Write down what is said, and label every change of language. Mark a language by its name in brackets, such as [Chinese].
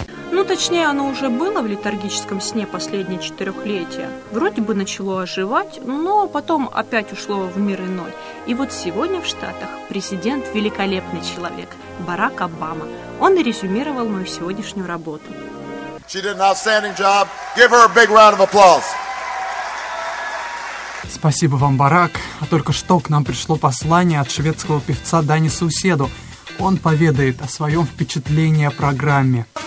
[Russian] Ну, точнее, оно уже было в летаргическом сне последние 4-летия. Вроде бы начало оживать, но потом опять ушло в мир иной. И вот сегодня в Штатах президент – великолепный человек – Барак Обама. Он и резюмировал мою сегодняшнюю работу. [English] She did an outstanding job. Give her a big round of applause. [Russian] Спасибо вам, Барак. А только что к нам пришло послание от шведского певца Дани Сауседо. Он поведает о своем впечатлении о программе.